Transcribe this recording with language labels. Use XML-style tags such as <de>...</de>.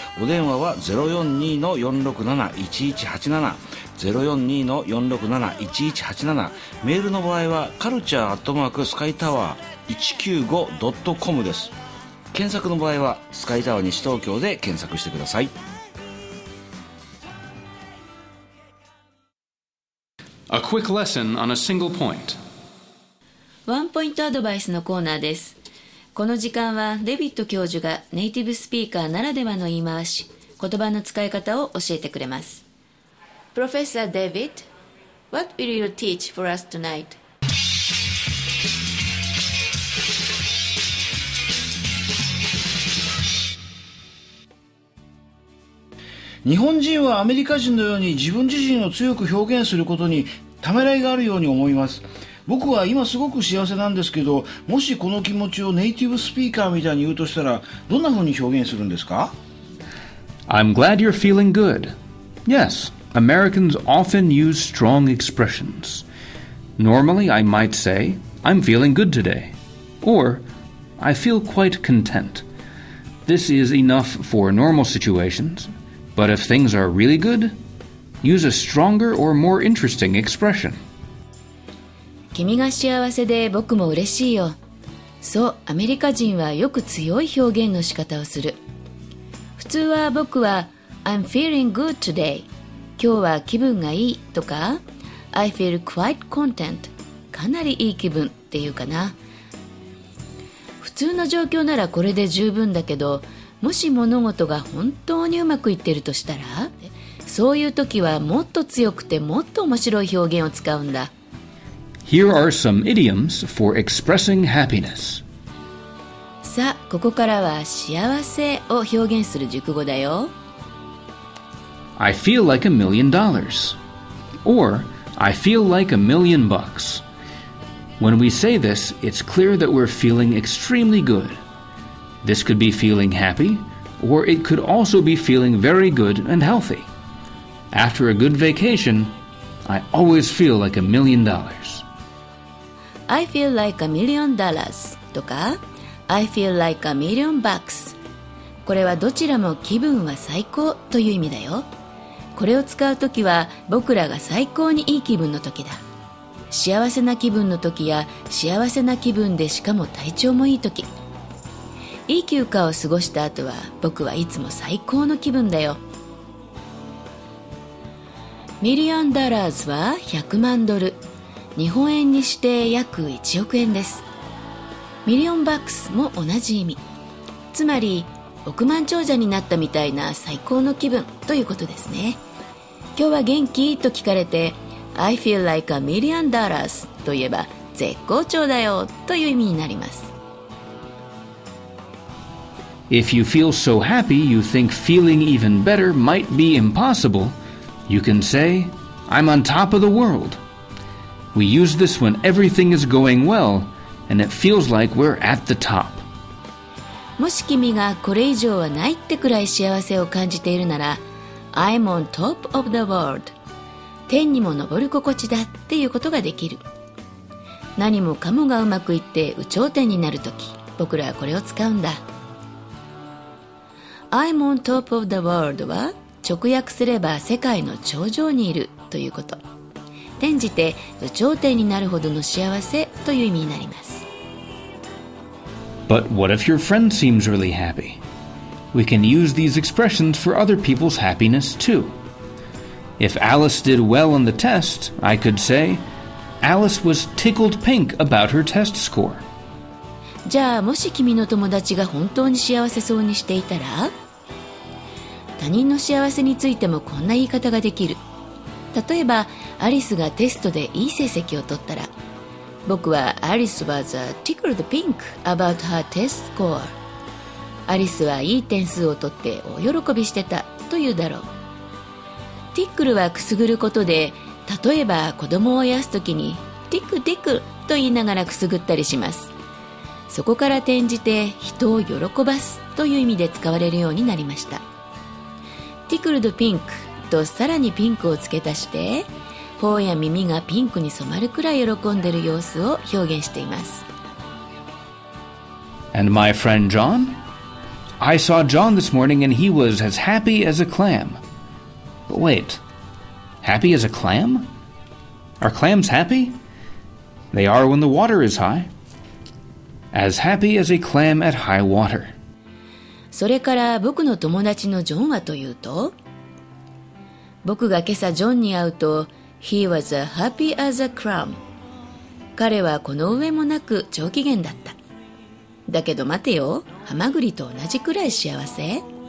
<ja>お電話は 042-467-1187、 042-467-1187。メールの場合はカルチャーアットマークスカイタワー 195.com です。検索の場合はスカイタワー西東京で検索してください。</ja> <en>A quick lesson on a single point.</en> <ja>ワンポイントアドバイスのコーナーです。この時間はデビッド教授がネイティブスピーカーならではの言い回し、言葉の使い方を教えてくれます。</ja> <en>Professor David, what will you teach for us tonight?</en> <ja>日本人はアメリカ人のように自分自身を強く表現することにためらいがあるように思います。僕は今すごく幸せなんですけど、もしこの気持ちをネイティブスピーカーみたいに言うとしたら、どんな風に表現するんですか？</ja> <en>I'm glad you're feeling good. Yes, Americans often use strong expressions. Normally I might say, I'm feeling good today. Or, I feel quite content. This is enough for normal situations. But if things are really good, use a stronger or more interesting expression.</en> <ja>君が幸せで僕も嬉しいよ。そう、アメリカ人はよく強い表現の仕方をする。普通は僕は</ja> <en>I'm feeling good today.</en> <ja>今日は気分がいいとか</ja> <en>I feel quite content.</en> <ja>かなりいい気分っていうかな。普通の状況ならこれで十分だけど、もし物事が本当にうまくいってるとしたら、そういう時はもっと強くてもっと面白い表現を使うんだ。</ja> <en>Here are some idioms for expressing happiness.</en> <ja>さあ、ここからは幸せを表現する熟語だよ。</ja> <en>I feel like a million dollars. Or, I feel like a million bucks. When we say this, it's clear that we're feeling extremely good. This could be feeling happy, or it could also be feeling very good and healthy. After a good vacation, I always feel like a million dollars. I feel like a million dollars</en> <ja>とか、</ja> <en>I feel like a million bucks.</en> <ja>これはどちらも気分は最高という意味だよ。これを使うときは僕らが最高にいい気分のときだ。幸せな気分のときや幸せな気分でしかも体調もいいとき。いい休暇を過ごした後は僕はいつも最高の気分だよ。ミリオンダラーズは100万ドル、日本円にして約1億円です。ミリオンバックスも同じ意味、つまり億万長者になったみたいな最高の気分ということですね。今日は元気？と聞かれて</ja> <en>I feel like a million dollars</en> <ja>といえば絶好調だよという意味になります。</ja> <en>If you feel so happy you think feeling even better might be impossible, you can say, I'm on top of the world. We use this when everything is going well, and it feels like we're at the top.</en> <ja>もし君がこれ以上はないってくらい幸せを感じているなら、</ja> <en>I'm on top of the world.</en> <ja>天にも昇る心地だっていうことができる。何もかもがうまくいって有頂天になるとき、僕らはこれを使うんだ。</ja> <en>I'm on top of the world</en> <ja>は直訳すれば世界の頂上にいるということ、転じて有頂天になるほどの幸せという意味になります。</ja> <en>But what if your friend seems really happy? We can use these expressions for other people's happiness too. If Alice did well on the test, I could say Alice was tickled pink about her test score.</en> <ja>じゃあもし君の友達が本当に幸せそうにしていたら、他人の幸せについてもこんな言い方ができる。例えばアリスがテストでいい成績を取ったら、僕はアリス</ja> <en>was tickled pink about her test score。</en> <ja>アリスはいい点数を取って大喜びしてたというだろう。ティックルはくすぐることで、例えば子供をあやすときにティックティックと言いながらくすぐったりします。そこから転じて人を喜ばすという意味で使われるようになりました。ティクルドピンクとさらにピンクを付け足して、頬や耳がピンクに染まるくらい喜んでいる様子を表現しています。</ja> <en>And my friend John? I saw John this morning and he was as happy as a clam. But wait, happy as a clam? Are clams happy? They are when the water is high. As happy as a clam at high water.</en> <ja>それから僕の友達のジョンはというと、僕が今朝ジョンに会うと、</ja> <en>He was as happy as a clam.</en> <ja>彼はこの上もなく上機嫌だった。だけど待てよ、ハマグリと同じくらい幸せ？</ja>